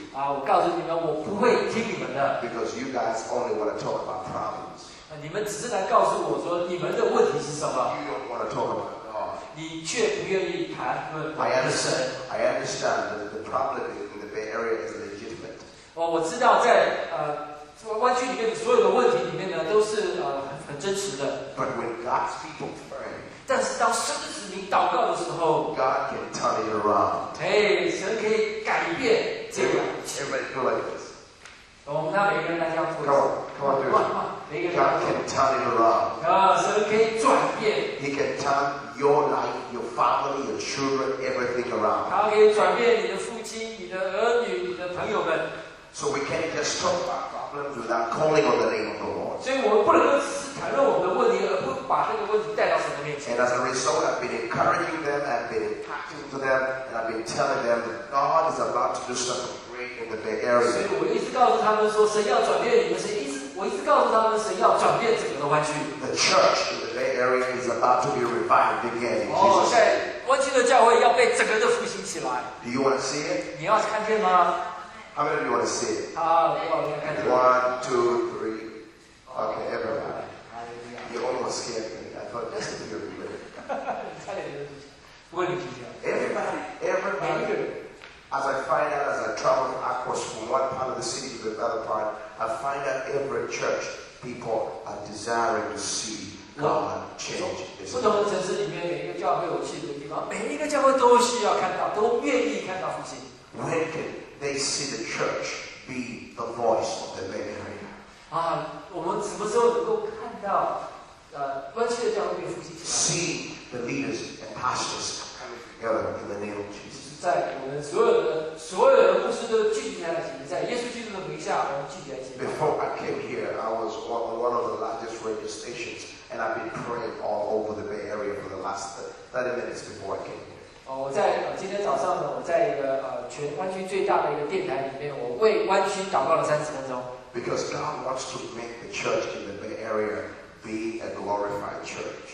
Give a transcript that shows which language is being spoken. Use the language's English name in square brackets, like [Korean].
[Chinese] 我告诉你们，我不会听你们的。 [English] Because you guys only want to talk about problems. [Chinese] 你们只是来告诉我说你们的问题是什么。 [English] You don't want to talk about. [Chinese] 你却不愿意谈论神。 [English] I understand that the problem in the Bay Area is legitimate. [Chinese] 我知道在湾区里面所有的问题里面呢，都是很真实的。 [English] But when God's people pray, [Chinese] 但是当神的子民祷告的时候 [English] ，God can turn it around. [Chinese] 神可以改变这个。 [English] Everybody go like this. [Chinese] 我们让每个人来这样做。 [English] Come on, do it. God can turn it around. [Chinese] 神可以转变。 [English] He can turn. Your life, your family, your children, everything around. [Chinese] 他可以转变你的父亲、你的儿女、你的朋友们。 [English] So we can't just talk about problems without calling on the name of the Lord. [Chinese] 所以我们不能够只是谈论我们的问题，而不把这个问题带到神的面前。 [English] And as a result, I've been encouraging them, I've been talking to them, and I've been telling them that God is about to do something great in the Bay Area. [Chinese] 所以我一直告诉他们说，神要转变你们，我一直告诉他们神要转变整个的湾区。 [English] The church. Bay Area is about to be revived again. [Chinese] 在湾区的教会要被整个的复兴起来。 [English] Do you want to see it? [Chinese] 你要看见吗 [English] ？How many of you want to see it? [Chinese] 我要看见。 [English] One, two, three. Okay, everybody. You almost scared me. I thought just a few people. [Chinese] 差点就是，问你几条。 [English] Everybody. As I find out, as I travel across from one part of the city to the other part, I find out every church people are desiring to see. [Chinese] 不同的城市里面，每一个教会我去的地方，每一个教会都需要看到，都愿意看到复兴。 [English] When can they see the church be the voice of the Bay Area? [Chinese] 我们什么时候能够看到，湾区的教会被复兴起来 [English] ？See the leaders and pastors coming together in the name of Jesus. [Chinese] 在我们所有的牧师都聚集在一起，在耶稣基督的名下，我们聚集在一起。 [English] Before I came here, I was one of the largest radio stations. And I've been praying all over the Bay Area for the last 30 minutes before I came here. [Chinese] 我在今天早上呢，我在一个全湾区最大的一个电台里面，我为湾区祷告了30分钟。 [English] Because God wants to make the church in the Bay Area. area be a glorified church.